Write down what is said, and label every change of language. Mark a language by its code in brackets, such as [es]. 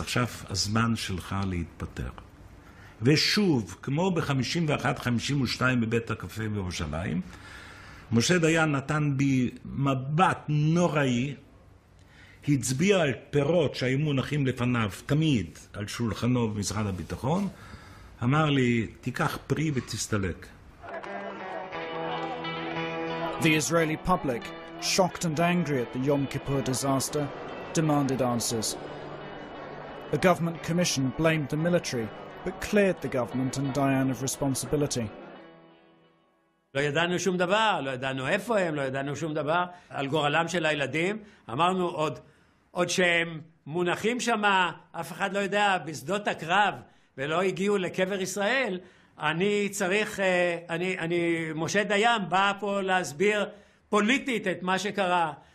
[he] עכשיו הזמן שלך להתפטר. ושוב, כמו ב-51-52 בבית הקפה בירושלים, משה דיין נתן בי מבט נוראי, הצביע על פירות שהיו מונחים לפניו תמיד על שולחנו במשרד הביטחון, אמר לי, תיקח פרי ותסתלק. [en] The Israeli public, shocked and angry at the Yom Kippur disaster, demanded answers. A government commission blamed the military, but cleared the government and Dayan of responsibility. [he] לא ידענו שום דבר, לא ידענו איפה הם, לא ידענו שום דבר על גורלם של הילדים. אמרנו עוד שהם מונחים שמה, אף אחד לא יודע, בשדות הקרב, ולא הגיעו לקבר ישראל. אני צריך, אני משה דיין בא פה להסביר פוליטית את מה שקרה.